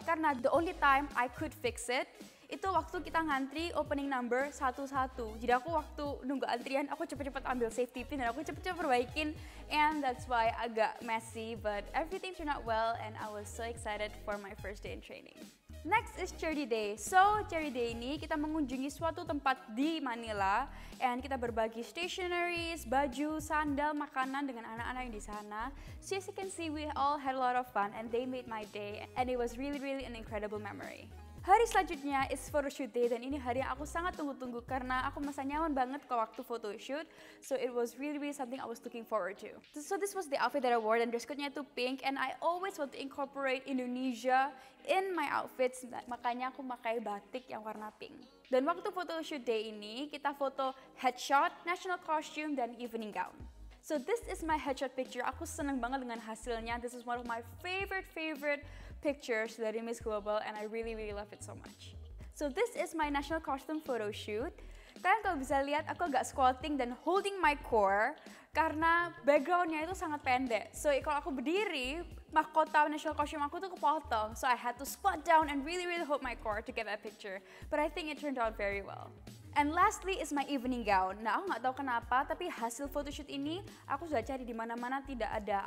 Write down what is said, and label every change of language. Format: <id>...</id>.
<id>Karena</id> <en>the only time I could fix it,</en> <id>itu waktu kita ngantri opening number satu-satu. Jadi aku waktu nunggu antrian, aku cepet-cepet ambil safety pin dan aku cepet-cepet perbaikin.</id> <en>And that's why agak messy, but everything turned out well and I was so excited for my first day in training. Next is charity day.</en> <id>So charity day ini kita mengunjungi suatu tempat di Manila and kita berbagi stationaries, baju, sandal, makanan dengan anak-anak yang di sana.</id> <en>So as you can see, we all had a lot of fun and they made my day and it was really really an incredible memory.</en> <id>Hari selanjutnya is photoshoot day, dan ini hari yang aku sangat tunggu-tunggu karena aku merasa nyaman banget ke waktu photoshoot.</id> <en>So it was really really something I was looking forward to. So this was the outfit that I wore,</en> <id>dan dress code-nya itu pink,</id> <en>and I always want to incorporate Indonesia in my outfits,</en> <id>makanya aku pakai batik yang warna pink. Dan waktu photoshoot day ini, kita foto headshot, national costume, dan evening gown.</id> <en>So this is my headshot picture,</en> <id>aku seneng banget dengan hasilnya.</id> <en>This is one of my favorite pictures dari Miss Global and I really really love it so much. So this is my national costume photo shoot.</en> <id>Kalian kalau bisa lihat aku agak squatting dan</id> <en>holding my core</en> <id>karena backgroundnya itu sangat pendek.</id> <en>So</en> <id>kalau aku berdiri, mahkota national costume aku tuh kepotong.</id> <en>So I had to squat down and really really hold my core to get that picture. But I think it turned out very well. And lastly is my evening gown.</en> <id>Nah, aku nggak tahu kenapa, tapi hasil photoshoot ini aku sudah cari di mana-mana tidak ada.</id>